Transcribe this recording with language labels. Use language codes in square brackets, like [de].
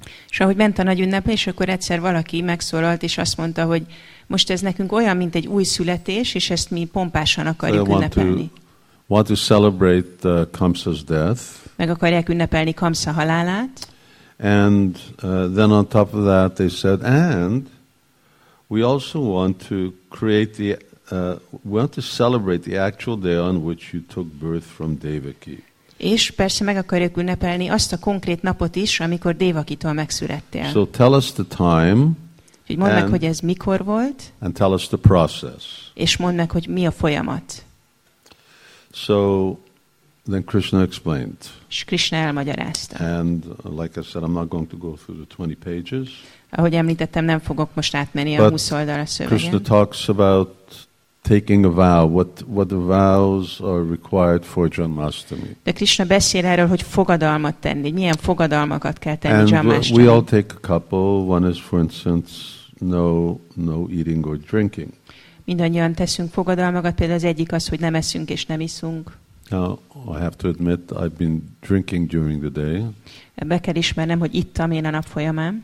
[hu] És ahogy ment a nagy ünneplés, akkor egyszer valaki megszólalt, és azt mondta, hogy most ez nekünk olyan, mint egy új születés, és ezt mi pompásan akarjuk ünnepelni. [en] Celebrate Kamsa's death. [hu] Meg akarják ünnepelni Kamsa halálát. [en] And then on top of that they said, and we also want to create the we want to celebrate the actual day on which you took birth from Devaki. [hu] És persze meg akarjuk ünnepelni azt a konkrét napot is, amikor Devakitól megszülettél. [en] So tell us the time. [hu] Hogy mondd meg, hogy ez mikor volt. [en] And tell us the process. [hu] És mondd meg, hogy mi a folyamat. [en] So then Krishna explained. [hu] És Krishna elmagyarázta. [en] And like I said, I'm not going to go through the 20 pages. [hu] Ahogy említettem, nem fogok most átmenni a 20 oldalra szövegen. [en] But Krishna talks about taking a vow, what the vows are required for Janmashtami. [hu] De Krishna beszél erről, hogy fogadalmat tenni, milyen fogadalmakat kell tenni [en] Janmashtami. And we all take a couple. One is, for instance, no eating or drinking. [hu] Mindannyian teszünk fogadalmakat, például az egyik az, hogy nem eszünk és nem iszunk. [en] Now, I have to admit, I've been drinking during the day. [hu] Be kell ismernem, hogy ittam én a nap folyamán.